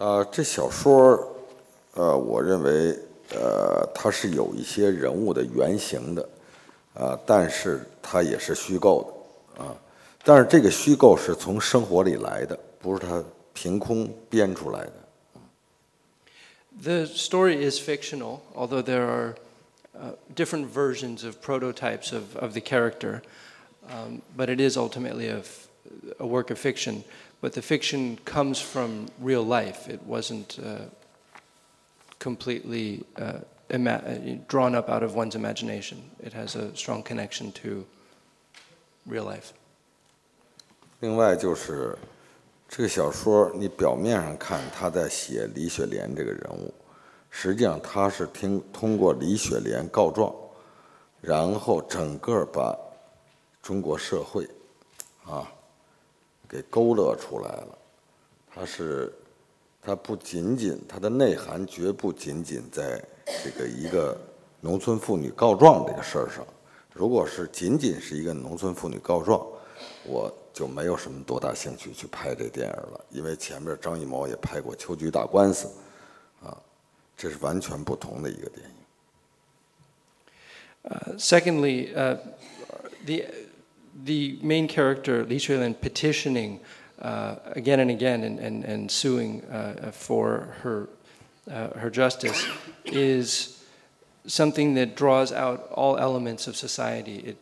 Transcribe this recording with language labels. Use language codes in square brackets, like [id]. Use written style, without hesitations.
[zh] 这小说我认为它是有一些人物的原型的，但是它也是虚构的，但是这个虚构是从生活里来的，不是它凭空编出来的。 [en] The story is fictional, although there are different versions of prototypes of the character, but it is ultimately a work of fiction. But the fiction comes from real life. It wasn't completely drawn up out of one's imagination. It has a strong connection to real life. [zh] 另外就是这个小说，你表面上看他在写李雪莲这个人物，实际上他是通过李雪莲告状，然后整个把中国社会啊给勾勒出来了。他不仅仅，他的内涵绝不仅仅在这个一个农村妇女告状这个事儿上。如果是仅仅是一个农村妇女告状，我就没有什么多大兴趣去拍这电影了，因为前面张艺谋也拍过《秋菊打官司》，啊，这是完全不同的一个电影。 [en] Secondly, the main character Li Shuilin petitioning again and again and suing for her justice is something that draws out all elements of society.